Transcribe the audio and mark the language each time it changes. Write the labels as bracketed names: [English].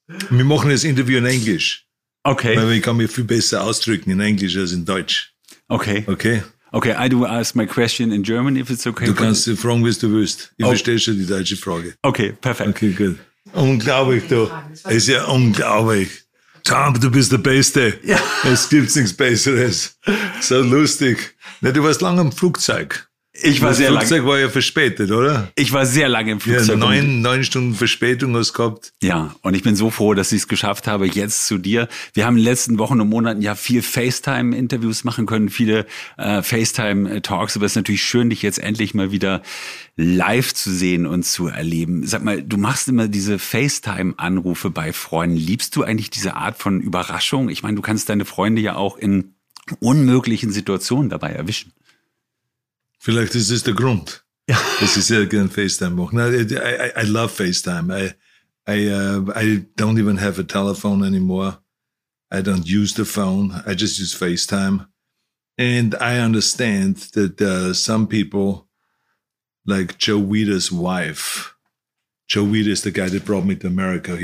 [German] Wir machen das Interview in Englisch. Okay. Weil ich kann mich viel besser ausdrücken in Englisch als in Deutsch. Okay. Okay? [English] Okay, I do ask my question in German, if it's okay. [German] Du kannst fragen, was du willst. Ich verstehe schon die deutsche Frage. Okay, perfekt. Okay, gut. Unglaublich, du. Es ist ja unglaublich. Tom, du bist der Beste. Ja. Es gibt nichts Besseres. So lustig. Na, du warst lange im Flugzeug. Ich war sehr lange im Flugzeug. Ja, neun Stunden Verspätung hast du gehabt. Ja, und ich bin so froh, dass ich es geschafft habe, jetzt zu dir. Wir haben in den letzten Wochen und Monaten ja viel FaceTime-Interviews machen können, viele FaceTime-Talks. Aber es ist natürlich schön, dich jetzt endlich mal wieder live zu sehen und zu erleben. Sag mal, du machst immer diese FaceTime-Anrufe bei Freunden. Liebst du eigentlich diese Art von Überraschung? Ich meine, du kannst deine Freunde ja auch in unmöglichen Situationen dabei erwischen. Vielleicht ist es der Grund, dass ich sehr gerne FaceTime mache. [English] No, I love FaceTime. I don't even have a telephone anymore. I don't use the phone. I just use FaceTime. And I understand that some people, like Joe Weider's wife, Joe Weider is the guy that brought me to America.